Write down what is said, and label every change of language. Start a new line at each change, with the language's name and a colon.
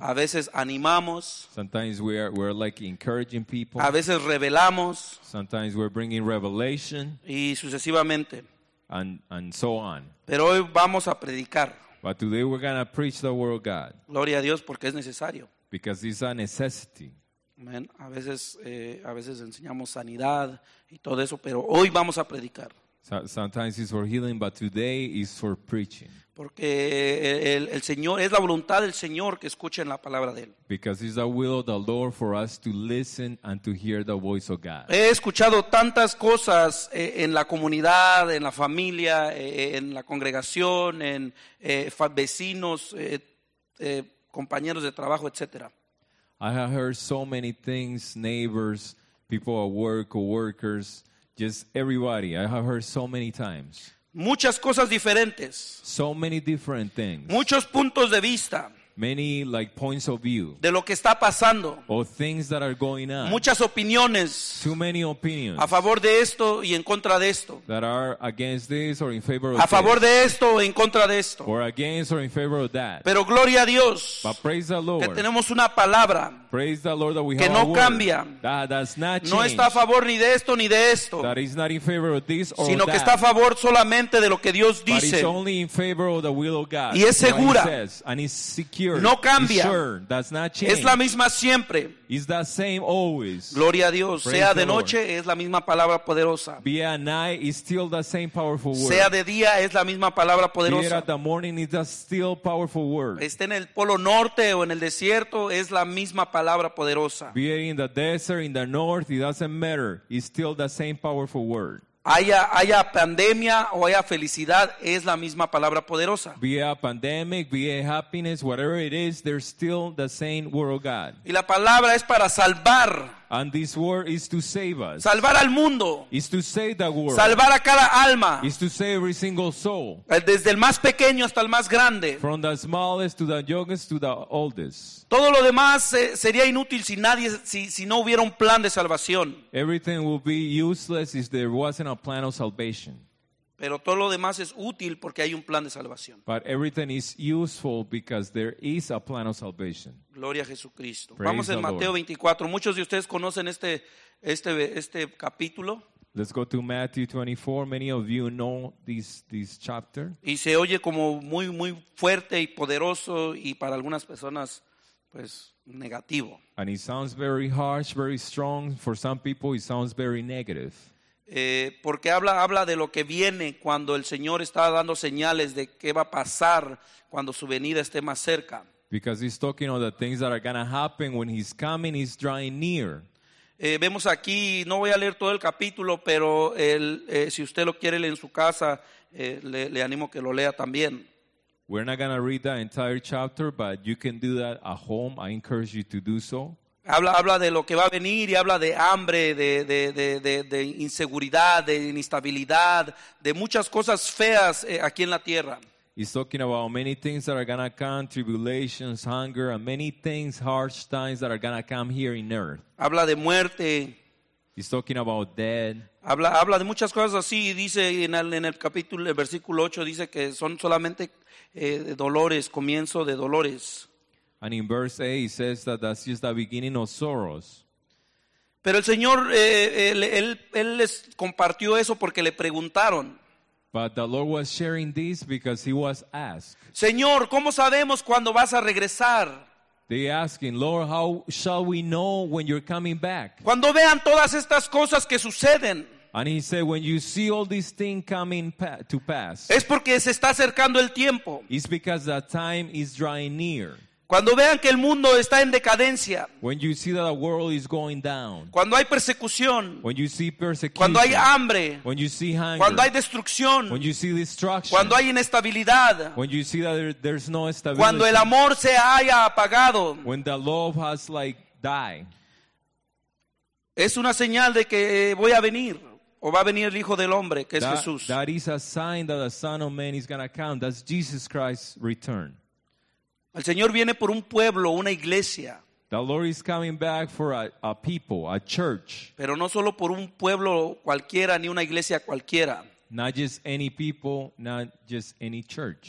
Spanish: A veces animamos.
English: Sometimes we're like encouraging people.
Spanish: A veces revelamos.
English: Sometimes we're bringing revelation.
Spanish: Y sucesivamente.
English: And so on.
Spanish: Pero hoy vamos a predicar.
English: But today we're gonna preach the word of God.
Spanish: Gloria a Dios porque es necesario.
English: Because it's a necessity. Amen.
Spanish: A veces enseñamos sanidad y todo eso, pero hoy vamos a predicar.
English: Sometimes it's for healing, but today it's for preaching.
Spanish: Porque el Señor es la voluntad del Señor que escuchen la palabra de él.
English: Because it's the will of the Lord for us to listen and to hear the voice of God.
Spanish: He escuchado tantas cosas en la comunidad, en la familia, en la congregación, en vecinos, compañeros de trabajo, etcétera.
English: I have heard so many things, neighbors, people at work, coworkers, just everybody. I have heard so many times.
Spanish: Muchas cosas diferentes.
English: So many different things.
Spanish: Muchos puntos de vista.
English: Many like points of view.
Spanish: De lo que está pasando.
English: Or things that are going on.
Spanish: Muchas opiniones.
English: Too many opinions.
Spanish: A favor de esto y en contra de esto.
English: That are against this or in favor of a this.
Spanish: A favor de esto o en contra de esto.
English: Or against or in favor of that.
Spanish: Pero gloria a Dios.
English: But praise the Lord.
Spanish: Que tenemos una palabra.
English: Praise the Lord that we
Spanish: que
English: have
Spanish: no
English: a word.
Spanish: Cambia.
English: That does not change.
Spanish: No está a favor ni de esto ni de esto.
English: That is not in favor of this or
Spanish: sino
English: that.
Spanish: Sino que está a favor solamente de lo que Dios dice.
English: But it's only in favor of the will of God.
Spanish: Y es segura.
English: Says, and it's secure.
Spanish: No cambia.
English: Sure, does not change.
Spanish: Es la misma siempre.
English: It's the same always.
Spanish: Gloria a Dios.
English: Praise
Spanish: sea de noche, es la misma palabra poderosa.
English: Be at night, it's still the same powerful word.
Spanish: Sea de día, es la misma palabra poderosa.
English: Be at the morning, it's the still powerful word.
Spanish: Esté en el polo norte o en el desierto, es la misma palabra. Palabra poderosa.
English: Be in the desert, in the north, it doesn't matter. It's still the same powerful word.
Spanish: Haya pandemia o haya felicidad, es la misma palabra poderosa.
English: Be a pandemic, be a happiness, whatever it is, they're still the same word of God.
Spanish: Y la palabra es para salvar.
English: And this word is to save us.
Spanish: Salvar al mundo.
English: Is to save the world.
Spanish: Salvar a cada alma.
English: Is to save every single soul.
Spanish: Desde el más pequeño hasta el más grande.
English: From the smallest to the youngest to the oldest.
Spanish: Todo lo demás sería inútil si no hubiera un plan de salvación.
English: Everything would be useless if there wasn't a plan of salvation.
Spanish: Pero todo lo demás es útil porque hay un plan de salvación.
English: But everything is useful because there is a plan of salvation.
Spanish: Gloria a Jesucristo.
English: Praise
Spanish: vamos en Mateo
English: Lord.
Spanish: 24. Muchos de ustedes conocen este capítulo.
English: Let's go to Matthew 24. Many of you know this chapter.
Spanish: Y se oye como muy muy fuerte y poderoso y para algunas personas pues negativo.
English: And it sounds very harsh, very strong. For some people it sounds very negative.
Spanish: Porque habla de lo que viene cuando el Señor está dando señales de qué va a pasar cuando su venida esté más cerca.
English: Because he's talking of the things that are going to happen when he's coming, he's drawing near.
Spanish: Vemos aquí, no voy a leer todo el capítulo, pero si usted lo quiere leer en su casa, le animo que lo lea también.
English: We're not going to read the entire chapter, but you can do that at home. I encourage you to do so.
Spanish: Habla de lo que va a venir y habla de hambre, de inseguridad, de inestabilidad, de muchas cosas feas aquí en la tierra.
English: He's talking about many things that are going to come, tribulations, hunger, and many things, harsh times that are going to come here in earth.
Spanish: Habla de muerte.
English: He's talking about death.
Spanish: Habla de muchas cosas así y dice en el capítulo, el versículo 8, dice que son solamente dolores, comienzo de dolores.
English: And in verse 8, he says that that's just the beginning of sorrows.
Spanish: Pero el Señor, él les compartió eso porque le preguntaron.
English: But the Lord was sharing this because he was asked.
Spanish: Señor, ¿cómo sabemos cuándo vas a regresar?
English: They asking, Lord, how shall we know when you're coming back?
Spanish: Cuando vean todas estas cosas que suceden.
English: And he said, when you see all these things coming to pass.
Spanish: Es porque se está acercando el tiempo.
English: It's because the time is drawing near.
Spanish: Cuando vean que el mundo está en decadencia.
English: When you see that the world is going down.
Spanish: Cuando hay persecución.
English: When you see persecution.
Spanish: Cuando hay hambre.
English: When you see hunger.
Spanish: Cuando hay destrucción.
English: When you see destruction.
Spanish: Cuando hay inestabilidad.
English: When you see that there's no stability.
Spanish: Cuando el amor se haya apagado.
English: When the love has like died.
Spanish: Es una señal de que voy a venir. O va a venir el Hijo del Hombre, que es Jesús.
English: That is a sign that the Son of Man is going to come. That's Jesus Christ's return.
Spanish: El Señor viene por un pueblo, una iglesia.
English: The Lord is coming back for a people, a church.
Spanish: Pero no solo por un pueblo cualquiera, ni una iglesia cualquiera.
English: Not just any people, not just any church.